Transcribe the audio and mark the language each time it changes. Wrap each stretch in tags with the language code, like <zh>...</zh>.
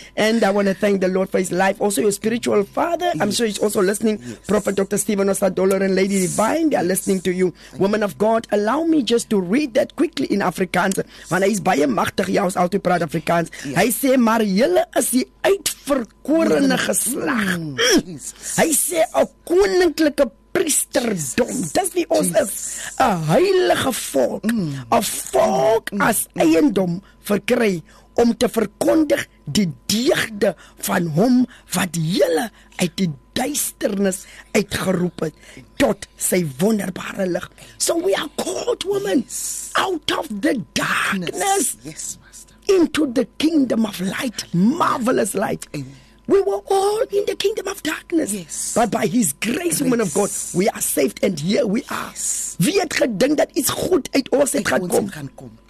<en>And I want to thank the Lord for his life. Also, your spiritual father. Yes. I'm sure he's also listening. Yes. Prophet Dr. Stephen Osadolo and Lady Divine, they are listening to you. Woman of God, allow me just to read that quickly in Afrikaans.</en> <af>Want hy is baie magtig, jy is altyd praat Afrikaans. Hy sê, maar julle is die uitverkorene geslag. Hy sê, 'n koninklike priesterdom, dis wie ons is, 'n heilige volk, 'n volk as eiendom verkry, om te verkondig die deugde van hom, wat julle uit die duisternis uitgeroep het, tot sy wonderbare lig.</af> <en>So we are called, women, out of the darkness, yes, into the kingdom of light, marvelous light. Amen. We were all in the kingdom of darkness. Yes. But by his grace, woman of God, we are saved and here we are. Yes.</en> <af>Wie het gedink dat iets goed uit ons het gaan kom?</af>